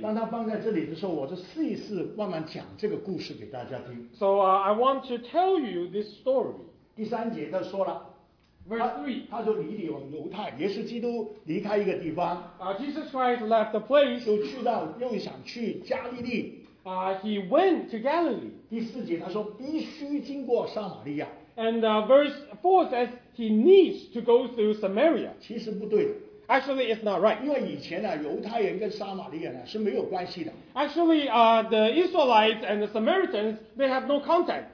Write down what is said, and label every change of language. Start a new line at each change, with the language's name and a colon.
Chinese: 当他放在这里的时候，我就试一试慢慢讲这个故事给大家听。
English: So I want to tell you this story.
Chinese: 第三节他说了
English: ，verse three，
Chinese: 他就离了犹太，耶稣基督离开一个地方。
English: Jesus Christ left the place.
Chinese: 就去到又想去加利利。
English: He went to Galilee.
Chinese: 第四节他说必须经过撒玛利亚。
English: And verse four says he needs to go through Samaria.
Chinese: 其实不对的。
English: Actually, it's not right.
Chinese: 因为以前呢，犹太人跟撒玛利亚呢是没有关系的。
English: Actually, the Israelites and the Samaritans, they have no contact.